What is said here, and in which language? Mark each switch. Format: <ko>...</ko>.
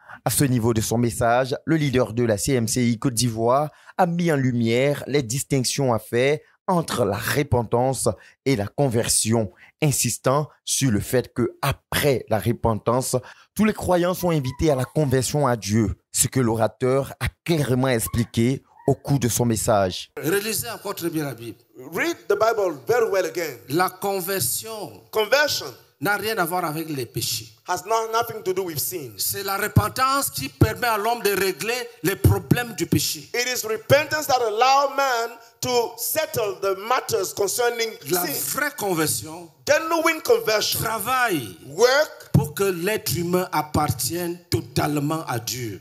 <fr>À ce niveau de son message, le leader de la CMCI Côte d'Ivoire a mis en lumière les distinctions à faire entre la repentance et la conversion, insistant sur le fait que après la repentance, tous les croyants sont invités à la conversion à Dieu, ce que l'orateur a clairement expliqué au cours de son message. Relisez encore très bien la Bible.</fr> <en>Read the Bible very well again.</en> <fr>La conversion.</fr> <en>Conversion.</en> <fr>N'a rien à voir avec les péchés.</fr> <en>Has nothing to do with sin.</en> <fr>C'est la repentance qui permet à l'homme de régler les problèmes du péché.</fr> <en>It is repentance that allows man to settle the matters concerning</en> <fr>la</fr> <en>sin.</en> <fr>Vraie conversion.</fr> <en>Genuine conversion.</en> <fr>Travail.</fr> <en>Work.</en> <fr>Pour que l'être humain appartienne totalement à Dieu.</fr>